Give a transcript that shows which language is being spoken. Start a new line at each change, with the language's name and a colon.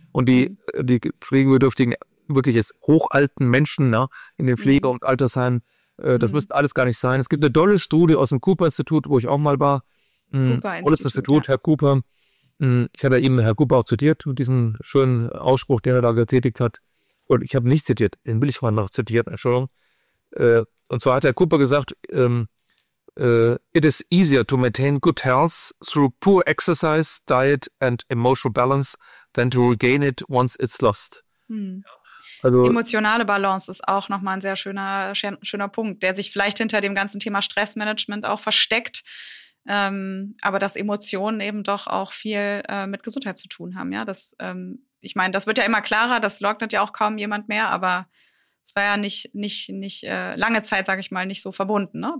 German: Und die pflegebedürftigen, wirklich jetzt hochalten Menschen, ne, in den Pflege- und Altersheimen, das müsste alles gar nicht sein. Es gibt eine tolle Studie aus dem Cooper-Institut, wo ich auch mal war. Cooper-Institut, ja. Herr Cooper. Ich hatte eben Herr Cooper auch zitiert mit diesem schönen Ausspruch, den er da getätigt hat. Und ich habe nicht zitiert, den will ich vorhin noch zitieren, Entschuldigung. Und zwar hat Herr Cooper gesagt,
English: it is easier to maintain good health through poor exercise, diet and emotional balance than to regain it once it's lost.
German: Also, emotionale Balance ist auch nochmal ein sehr schöner Punkt, der sich vielleicht hinter dem ganzen Thema Stressmanagement auch versteckt. Aber dass Emotionen eben doch auch viel mit Gesundheit zu tun haben. Ja, das, ich meine, das wird ja immer klarer, das leugnet ja auch kaum jemand mehr, aber es war ja nicht lange Zeit, sage ich mal, nicht so verbunden. Ne?